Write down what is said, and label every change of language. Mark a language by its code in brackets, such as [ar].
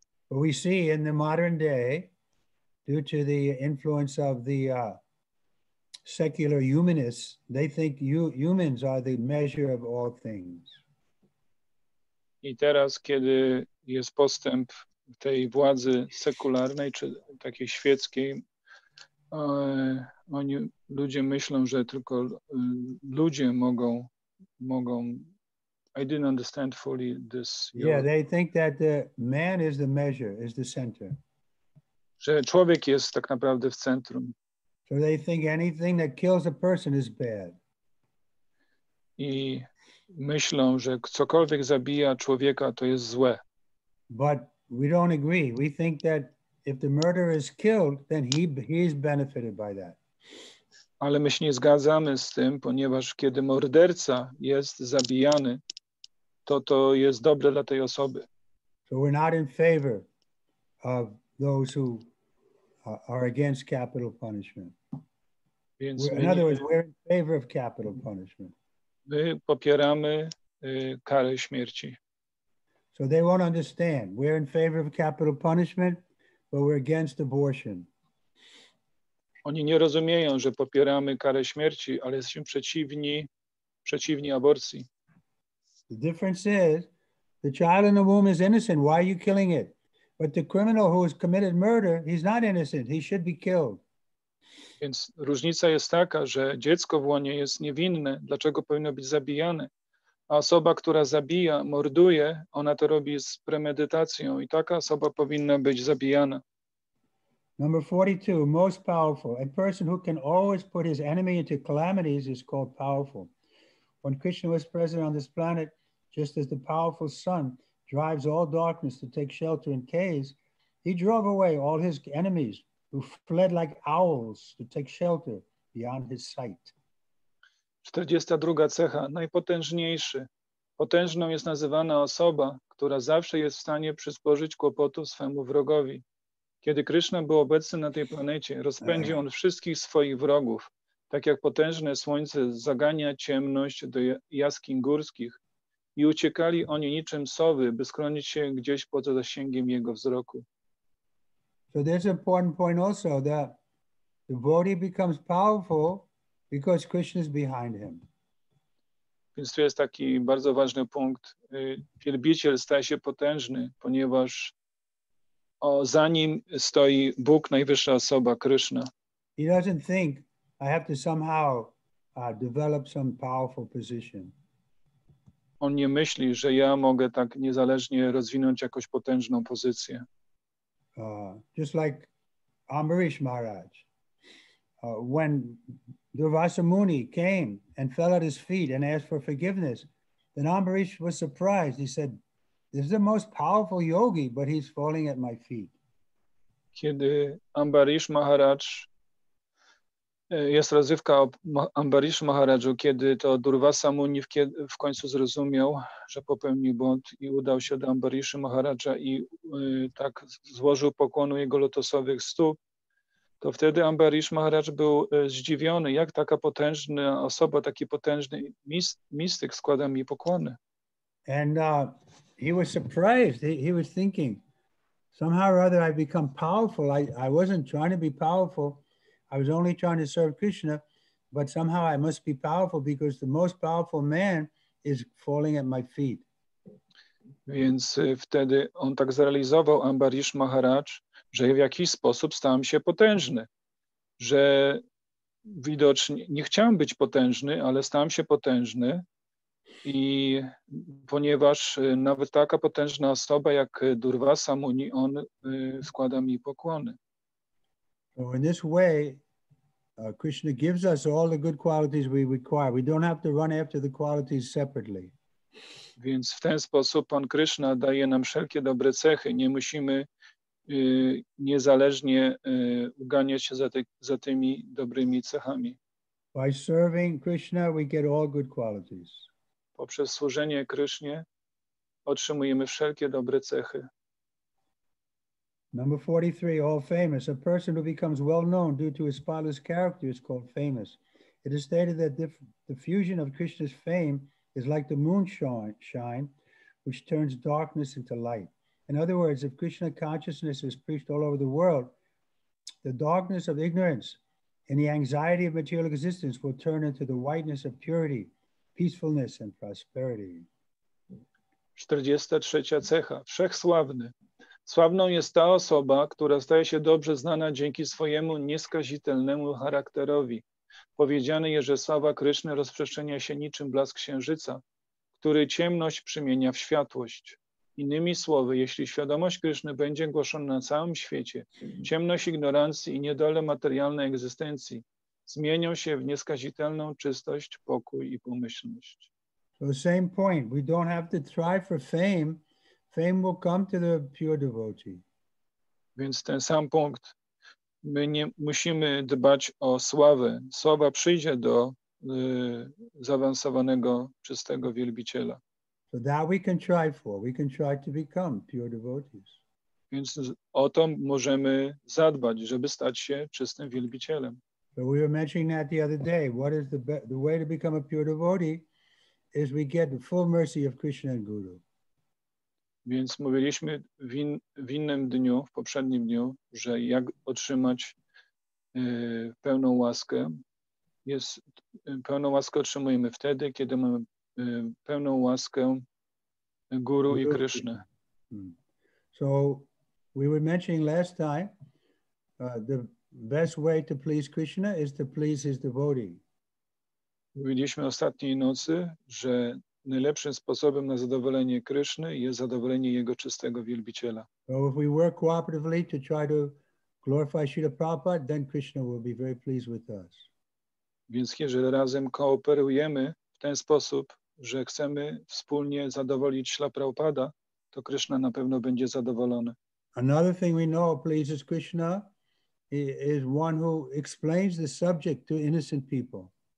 [en] But we see in the modern day, due to the influence of the secular humanists, they think humans are the measure of all things. [pl] I teraz, kiedy jest postęp tej władzy sekularnej, czy takiej świeckiej, oni, ludzie myślą, że tylko ludzie mogą. [en] I didn't understand fully this. They think that the man is the measure, is the center. [pl] Że człowiek jest tak naprawdę w centrum. [en] So they think anything that kills a person is bad. [pl] I myślą, że cokolwiek zabija człowieka, to jest złe. [en] But we don't agree. We think that if the murderer is killed, then he is benefited by that. [pl] Ale my się nie zgadzamy z tym, ponieważ kiedy morderca jest zabijany, to jest dobre dla tej osoby. [en] So we're not in favor of those who are against capital punishment. We're in favor of capital punishment. [pl] My popieramy karę śmierci. [en] So they won't understand. We're in favor of capital punishment, but we're against abortion. [pl] Oni nie rozumieją, że popieramy karę śmierci, ale jesteśmy przeciwni aborcji. [en] The difference is, the child in the womb is innocent. Why are you killing it? But the criminal who has committed murder, he's not innocent. He should be killed. [pl] Więc różnica jest taka, że dziecko w łonie jest niewinne. Dlaczego powinno być zabijane? A osoba, która zabija, morduje, ona to robi z premedytacją i taka osoba powinna być zabijana. [en] Number 42, most powerful. A person who can always put his enemy into calamities is called powerful. When Krishna was present on this planet, just as the powerful sun drives all darkness to take shelter in caves, he drove away all his enemies who fled like owls to take shelter beyond his sight. 42. [pl] cecha, najpotężniejszy. Potężną jest nazywana osoba, która zawsze jest w stanie przysporzyć kłopotów swemu wrogowi. Kiedy Krishna był obecny na tej planecie, rozpędził on wszystkich swoich wrogów, tak jak potężne słońce zagania ciemność do jaskiń górskich, i uciekali oni niczym sowy, by schronić się gdzieś poza zasięgiem jego wzroku. [en] So there's an important point also that the devotee becomes powerful because Krishna is behind him. [pl] Więc tu jest taki bardzo ważny punkt. Wielbiciel staje się potężny, ponieważ za nim stoi Bóg, najwyższa osoba, Krishna. [en] He doesn't think I have to somehow develop some powerful position. [pl] On nie myśli, że ja mogę tak niezależnie rozwinąć jakąś potężną pozycję. [en] Just like Ambarish Maharaj. When Durvasa Muni came and fell at his feet and asked for forgiveness, then Ambarish was surprised. He said, this is the most powerful yogi, but he's falling at my feet. [pl] Kiedy Ambarish Maharaj, jest rozrywka o Ambarishu Maharaju, kiedy to Durvasa Muni w końcu zrozumiał, że popełnił błąd i udał się do Ambarishu Maharaja i tak złożył pokłonu jego lotosowych stóp, to wtedy Ambarish Maharaj był zdziwiony, jak taka potężna osoba, taki potężny mistyk składa mi pokłony. [en] And he was surprised. He was thinking, somehow or other I've become powerful. I wasn't trying to be powerful. I was only trying to serve Krishna, But somehow I must be powerful because the most powerful man is falling at my feet. [pl] Więc wtedy on tak zrealizował, Ambarish Maharaj, że w jakiś sposób stałem się potężny, że widocznie nie chciałem być potężny, ale stałem się potężny i ponieważ nawet taka potężna osoba jak Durvasa Muni, on składa mi pokłony. [en] So in this way, Krishna gives us all the good qualities we require. We don't have to run after the qualities separately. [pl] Więc w ten sposób Pan Krishna daje nam wszelkie dobre cechy. Nie musimy niezależnie uganiać się za tymi dobrymi cechami. [en] By serving Krishna, we get all good qualities. [pl] Poprzez służenie Krishnie otrzymujemy wszelkie dobre cechy. [en] Number 43, all famous. A person who becomes well known due to his spotless character is called famous. It is stated that the diffusion of Krishna's fame is like the moonshine, which turns darkness into light. In other words, if Krishna consciousness is preached all over the world, the darkness of ignorance and the anxiety of material existence will turn into the whiteness of purity, peacefulness and prosperity. [pl] 43. cecha. Wszechsławny. Sławną jest ta osoba, która staje się dobrze znana dzięki swojemu nieskazitelnemu charakterowi. Powiedziane jest, że sława Kryszny rozprzestrzenia się niczym blask księżyca, który ciemność przemienia w światłość. Innymi słowy, jeśli świadomość Kryszny będzie głoszona na całym świecie, ciemność ignorancji i niedole materialnej egzystencji zmienią się w nieskazitelną czystość, pokój i pomyślność. [en] So same point. We don't have to try for fame. Fame will come to the pure devotee. [pl] Więc ten sam punkt. My nie musimy dbać o sławę. Sława przyjdzie do zaawansowanego, czystego wielbiciela. [en] So that we can try for. We can try to become pure devotees. [pl] Więc o to możemy zadbać, żeby stać się czystym wielbicielem. [en] So we were mentioning that the other day. What is the way to become a pure devotee is we get the full mercy of Krishna and Guru. [pl] Więc mówiliśmy w innym dniu, w poprzednim dniu, że jak otrzymać pełną łaskę. Jest, pełną łaskę otrzymujemy wtedy, kiedy mamy pełną łaskę Guru i Kryszny. [en] So we were mentioning last time, the best way to please Krishna is to please his devotee. [pl] Mówiliśmy ostatniej nocy, że najlepszym sposobem na zadowolenie Kryszny jest zadowolenie jego czystego wielbiciela. [en] So if we work cooperatively to try to glorify Śrīla Prabhupāda, then Krishna will be very pleased with us. [pl] Więc jeżeli razem kooperujemy w ten sposób, że chcemy wspólnie zadowolić Śrīla Prabhupāda, to Krishna na pewno będzie zadowolony. [en] Another thing we know pleases Krishna is one who explains the subject to innocent people.